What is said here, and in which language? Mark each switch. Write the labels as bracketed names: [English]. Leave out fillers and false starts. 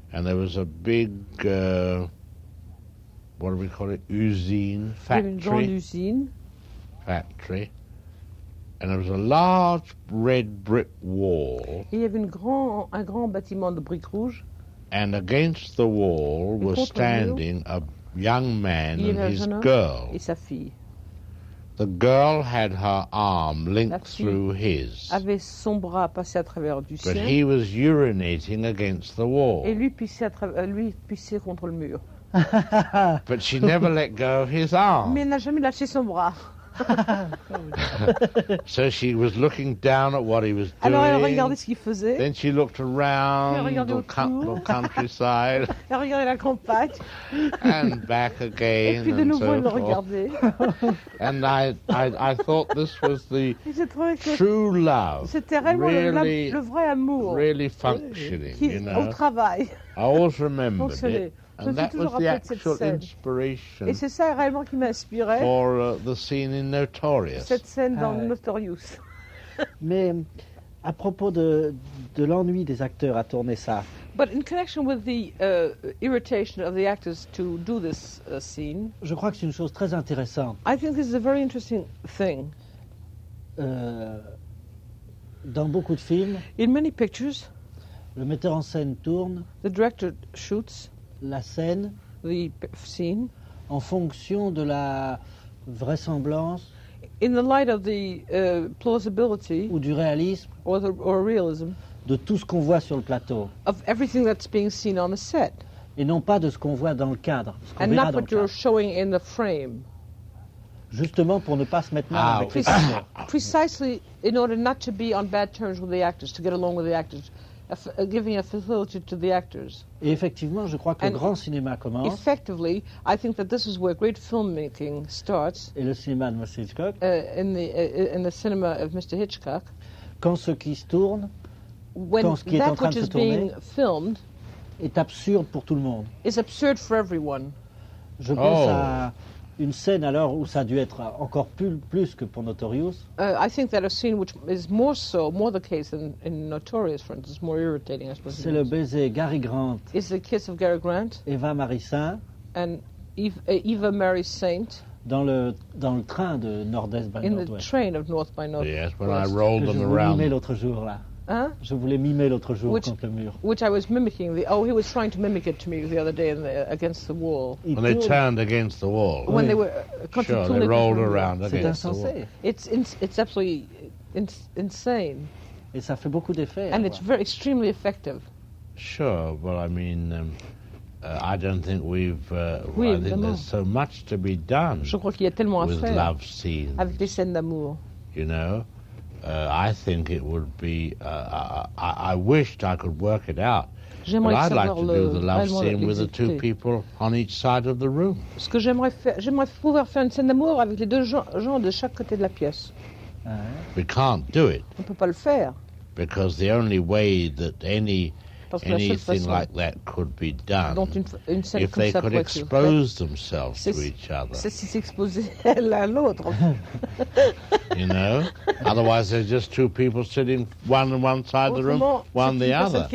[English] and there was a big what do we call it usine factory [French] une grande usine [English] factory And there was a large red brick wall. [French] Il y avait un grand bâtiment de briques rouges. [English] And against the wall was standing a young man and his girl. [French] Et sa fille. [English] The girl had her arm linked through his. [French] Avait son bras passé à travers du sien. [English] But he was urinating against the wall. [French] Et lui pissait à travers, lui pissait contre le mur. [English] But she never let go of his arm. [French] Mais n'a jamais lâché son bras. [English] So she was looking down at what he was doing. [French] Alors elle regardait ce qu'il faisait. [English] Then she looked around the countryside. [French] Elle regardait la campagne. [English] And back again. [French] Et puis de nouveau [English] so [French] elle le regardait. [English] And I thought this was the true love. [French] C'était vraiment [English] really, [French] le vrai amour. [English] Really functioning, [French] qui, [English] you know. [French] Au travail. [English] I always remembered it. And that was the actual inspiration. [French] Et c'est ça réellement qui m'inspirait. [English] For the scene in Notorious. [French] Cette scène dans Notorious. Mais à propos de l'ennui des acteurs à tourner ça. [English] But in connection with the irritation of the actors to do this scene. [French] Je crois que c'est une chose très intéressante. [English] I think this is a very interesting thing. [French] Dans beaucoup de films. [English] In many pictures. [French] Le metteur en scène tourne. [English] The director shoots. [French] La scène, [English] the scene, [French] en fonction de la vraisemblance, [English] in the light of the plausibility, [French] ou du réalisme, [English] or realism, [French] de tout ce qu'on voit sur le plateau, [English] of everything that's being seen on the set, [French] et non pas de ce qu'on voit dans le cadre, ce qu'on [English] and [French] verra [English] not what [French] dans le [English] you're [French] cadre. [English] Showing in the frame, [French] justement pour ne pas se mettre mal avec les acteurs, [English] precisely in order not to be on bad terms with the actors, to get along with the actors. Giving a facility to the actors. [French] Et effectivement, je crois que [English] and [French] le grand cinéma commence. [English] Effectively, I think that this is where great filmmaking starts. [French] Et le cinéma de Mr. Hitchcock. [English] In the cinema of Mr. Hitchcock. [French] Quand ce qui se tourne, [English] when [French] quand ce qui est en train de se tourner, [English] that which is being filmed, [French] est absurde pour tout le monde. [English] Is absurd for everyone. [French] Je pense à une scène alors où ça a dû être encore plus que pour Notorious. [English] I think that a scene which is more so, more the case than in Notorious, for instance, more irritating, I suppose. [French] C'est le baiser Gary Grant. [English] It's the kiss of Gary Grant. [French] Eva Marie Saint. [English] And Eva Marie Saint. [French] Dans le train de Nord-Est by Northwest. [English] In the train of North by Northwest. Yes, when I rolled them around. [French] Je voulais mimer l'autre jour là. Hein? Je voulais mimer l'autre jour contre le mur. [English] Which I was mimicking. He was trying to mimic it to me the other day against the wall. When they turned against the wall. When they were sure, they rolled around against the wall. It's absolutely insane. [French] Et ça fait beaucoup d'effets. [English] And it's very extremely effective. Sure, well, I mean, I don't think there's so much to be done. [French] Je crois qu'il y a tellement à faire. [English] With love scenes. [French] Avec des scènes d'amour. [English] You know. I think it would be. I wished I could work it out. [French] J'aimerais [English] but I'd like to [French] le [English] do the love scene with the two people on each side of the room. [French] Ce que j'aimerais pouvoir faire une scène d'amour avec les deux gens de chaque côté de la pièce. [English] We can't do it. [French] On peut pas le faire. [English] Because the only way that anything like that could be done, if they could expose themselves to each other. [French] C'est si s'exposer l'un l'autre. [English] You know? Otherwise, there's just two people sitting one on one side of the room, one the other.